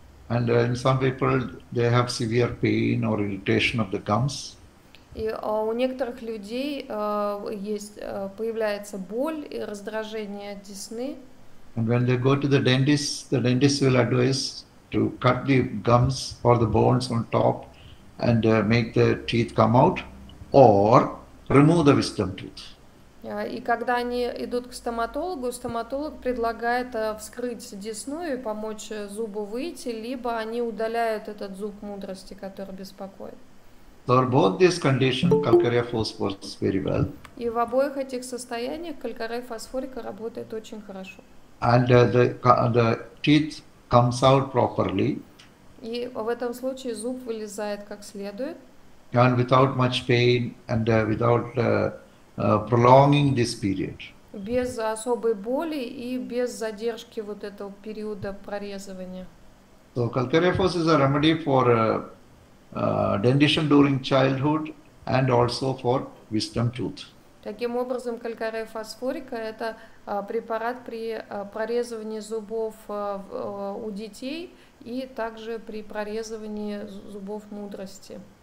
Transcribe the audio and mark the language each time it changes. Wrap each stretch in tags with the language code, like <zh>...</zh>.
<en>And in some people they have severe pain or irritation of the gums.</en> <ru>И у некоторых людей появляется боль и раздражение десны.</ru> <en>And when they go to the dentist will advise to cut the gums or the bones on top and make the teeth come out. Or remove the wisdom tooth.</en> <ru>И когда они идут к стоматологу, стоматолог предлагает вскрыть десну и помочь зубу выйти, либо они удаляют этот зуб мудрости, который беспокоит.</ru> <en>For both these conditions, calcarea fosforica works very well.</en> <ru>И в обоих этих состояниях калькарея фосфорика работает очень хорошо.</ru> <en>And the teeth comes out properly.</en> <ru>И в этом случае зуб вылезает как следует.</ru> <en>And without much pain and without prolonging this period.</en> <ru>Без особой боли и без задержки вот этого периода прорезывания.</ru> <en>So calcarea fossa is a remedy for dentition during childhood and also for wisdom tooth.</en> <ru>Таким образом, калькарея фосфорика это препарат при прорезывании зубов у детей и также при прорезывании зубов мудрости.</ru>